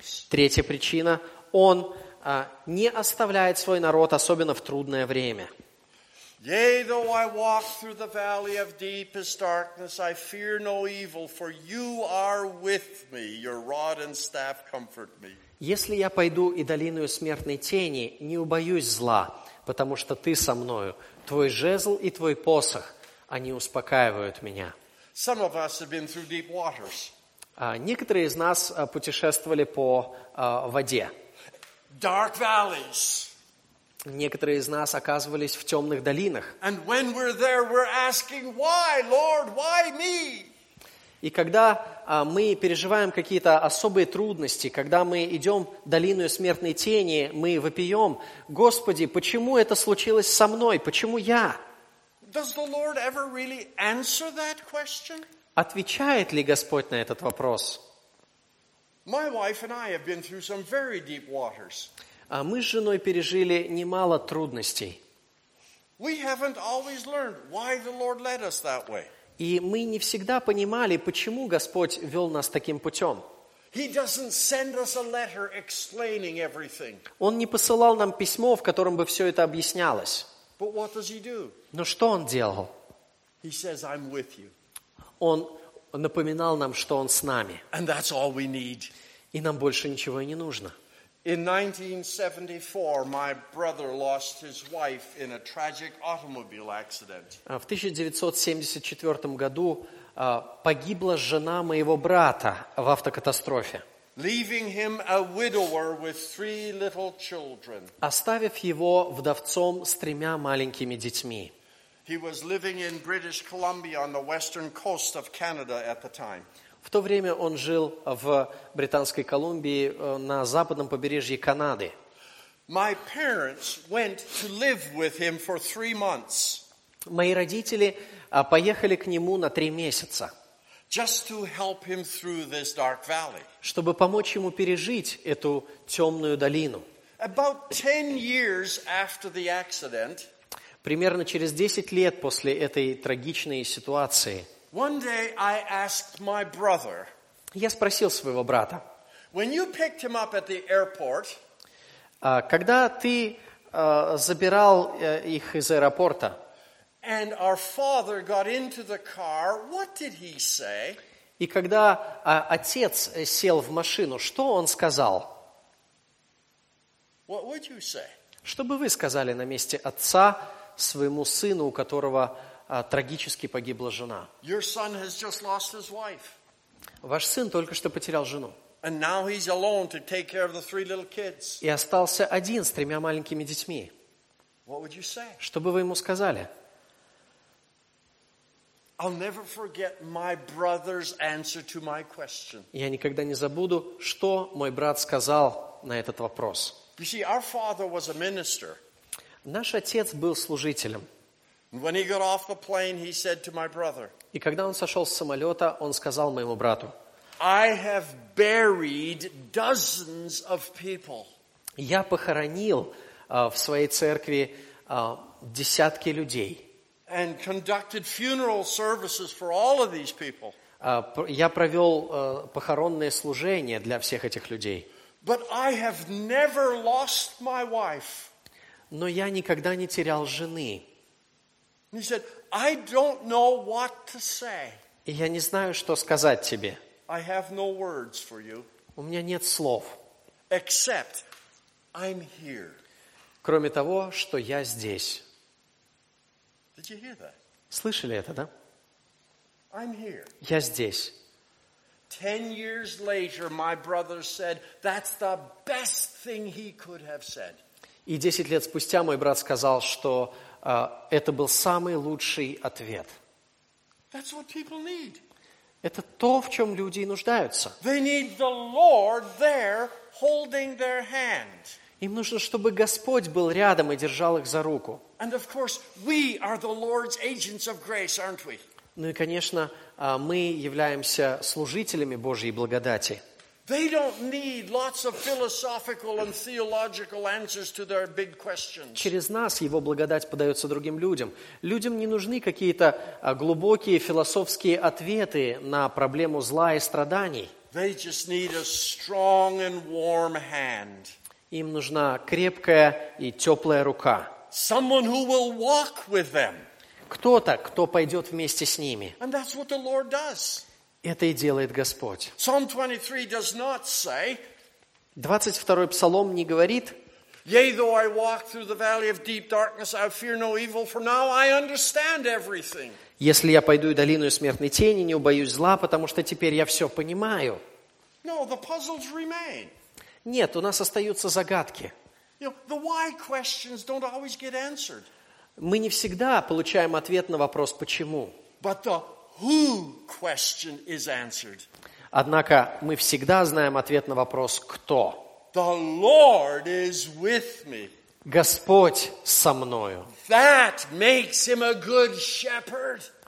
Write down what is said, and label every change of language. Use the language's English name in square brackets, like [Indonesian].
[Russian] Третья причина. Он не оставляет свой народ, особенно в трудное время. [English] Yea, though I walk through the valley of deepest darkness, I fear no evil, for you are with me, your rod and staff comfort me. [Russian] Если я пойду и долиною смертной тени, не убоюсь зла, потому что ты со мною, твой жезл и твой посох, они успокаивают меня. [English] Some of us have been through deep waters. [Russian] Некоторые из нас путешествовали по воде. [English] Dark valleys. [Russian] Некоторые из нас оказывались в темных долинах. [English] And when we're there, we're asking, why, Lord, why me? [Russian] И когда мы переживаем какие-то особые трудности, когда мы идем долиной смертной тени, мы вопием: «Господи, почему это случилось со мной? Почему я?» [English] Does the Lord ever really answer that question? [Russian] Отвечает ли Господь на этот вопрос? [English] My wife and I have been through some very deep waters. [Russian] Мы с женой пережили немало трудностей. [English] We haven't always learned why the Lord led us that way. [Russian] И мы не всегда понимали, почему Господь вел нас таким путем. [English] He doesn't send us a letter explaining everything. [Russian] Он не посылал нам письмо, в котором бы все это объяснялось. [English] But what does he do? [Russian] Но что Он делал? [English] He says, I'm with you. [Russian] Он напоминал нам, что Он с нами. [English] And that's all we need. [Russian] И нам больше ничего и не нужно. [English] In 1974, my brother lost his wife in a tragic automobile accident. [Russian] В 1974 году погибла жена моего брата в автокатастрофе. [English] Leaving him a widower with three little children. [Russian] Оставив его вдовцом с тремя маленькими детьми. [English] He was living in British Columbia on the western coast of Canada at the time. [Russian] В то время он жил в Британской Колумбии на западном побережье Канады. [English] My parents went to live with him for 3 months. [Russian] Мои родители поехали к нему на 3 месяца. [English] Just to help him through this dark valley. [Russian] Чтобы помочь ему пережить эту темную долину. [English] About 10 years after the accident. [Russian] Примерно через 10 лет после этой трагичной ситуации. [English] One day I asked my brother. [Russian] Я спросил своего брата. [English] When you picked him up at the airport. [Russian] Когда ты забирал их из аэропорта. [English] And our father got into the car. What did he say? [Russian] И когда отец сел в машину, что он сказал? [English] What would you say? [Russian] Что бы вы сказали на месте отца своему сыну, у которого трагически погибла жена. [English] Your son has just lost his wife. [Russian] Ваш сын только что потерял жену. [English] And now he's alone to take care of the three little kids. [Russian] И остался один с тремя маленькими детьми. [English] What would you say? [Russian] Что бы вы ему сказали? [English] I'll never forget my brother's answer to my question. [Russian] Я никогда не забуду, что мой брат сказал на этот вопрос. [English] You see, our father was a minister. [Russian] Наш отец был служителем. [English] When he got off the plane, he said to my brother. [Russian] И когда он сошел с самолета, он сказал моему брату. [English] I have buried dozens of people. [Russian] Я похоронил в своей церкви десятки людей. [English] And conducted funeral services for all of these people. [Russian] Я провел похоронные служения для всех этих людей. [English] But I have never lost my wife. [Russian] Но я никогда не терял жены. [English] He said, "I don't know what to say." [Russian] Я не знаю, что сказать тебе. [English] I have no words for you. [Russian] У меня нет слов. [English] Except, I'm here. [Russian] Кроме того, что я здесь. [English] Did you hear that? [Russian] Слышали это, да? [English] I'm here. [Russian] Я здесь. [English] 10 years later, my brother said, "That's the best thing he could have said." [Russian] И 10 лет спустя мой брат сказал, что это был самый лучший ответ. [English] That's what people need. [Russian] Это то, в чем люди и нуждаются. [English] They need the Lord there, holding their hand. [Russian] Им нужно, чтобы Господь был рядом и держал их за руку. [English] And of course, we are the Lord's agents of grace, aren't we? [Russian] Ну и, конечно, мы являемся служителями Божьей благодати. [English] They don't need lots of philosophical and theological answers to their big questions. [Russian] Через нас Его благодать подается другим людям. Людям не нужны какие-то глубокие философские ответы на проблему зла и страданий. [English] They just need a strong and warm hand. [Russian] Им нужна крепкая и теплая рука. [English] Someone who will walk with them. [Russian] Кто-то, кто пойдет вместе с ними. [English] And that's what the Lord does. [Russian] Это и делает Господь. [English] Psalm 23 does not say, [Russian] 22-й Псалом не говорит, [English] Yea, though I walk through the valley of deep darkness, I fear no evil, for now I understand everything. [Russian] Если я пойду и долину смертной тени, не убоюсь зла, потому что теперь я все понимаю. [English] No, the puzzles remain. [Russian] Нет, у нас остаются загадки. [English] You know, the why questions don't always get answered. [Russian] Мы не всегда получаем ответ на вопрос «почему?». [English] But the who question is answered. [Russian] Однако мы всегда знаем ответ на вопрос «кто?». [English] The Lord is with me. [Russian] Господь со мною. [English] That makes him a good shepherd.